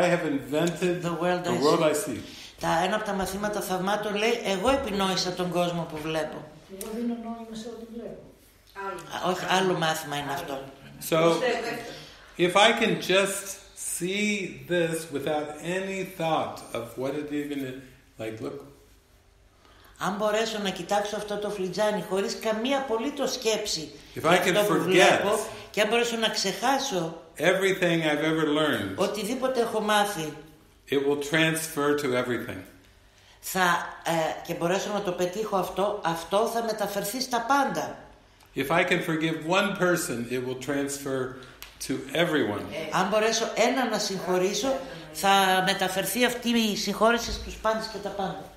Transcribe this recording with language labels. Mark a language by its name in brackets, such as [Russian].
[English] I have invented the world I see. [Greek] Τα ένα από τα μαθήματα θαυμάτων λέει εγώ επινόησα τον κόσμο που βλέπω. Εγώ δίνω νόημα σε ό,τι βλέπω. Όχι, άλλο μάθημα είναι αυτό. [English] So, if I can just see this without any thought of what it even is, like, look. [Greek] Αν μπορέσω να κοιτάξω αυτό το φλιτζάνι χωρίς καμία απολύτως σκέψη για αυτό που βλέπω και αν μπορέσω να ξεχάσω [English] everything I've ever learned, [Greek] οτιδήποτε έχω μάθει, [English] it will transfer to everything. [Greek] Θα, και μπορέσω να το πετύχω αυτό, αυτό θα μεταφερθεί στα πάντα. [English] If I can forgive one person, it will transfer to everyone. [Greek] Αν μπορέσω ένα να συγχωρήσω, θα μεταφερθεί αυτή η συγχώρεση στους πάντες και τα πάντα.